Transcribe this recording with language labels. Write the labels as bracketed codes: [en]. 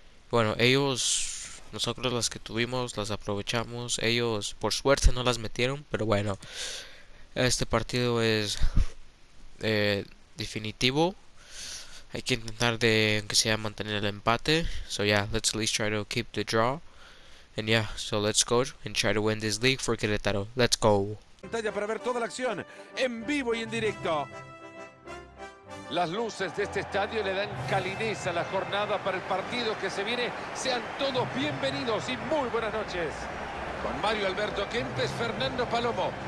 [es] Bueno, ellos, nosotros las que tuvimos, las aprovechamos. Ellos, por suerte, no las metieron. Pero bueno, este partido es definitivo. Hay que intentar de, aunque sea, mantener el empate. [en] So yeah, let's at least try to keep the draw. And yeah, so let's go and try to win this league for Querétaro. Let's go. [es] Pantalla para ver toda la acción en vivo y en directo. Las luces de este estadio le dan calidez a la jornada para el partido que se viene. Sean todos bienvenidos y muy buenas noches. Con Mario Alberto Kempes, Fernando Palomo.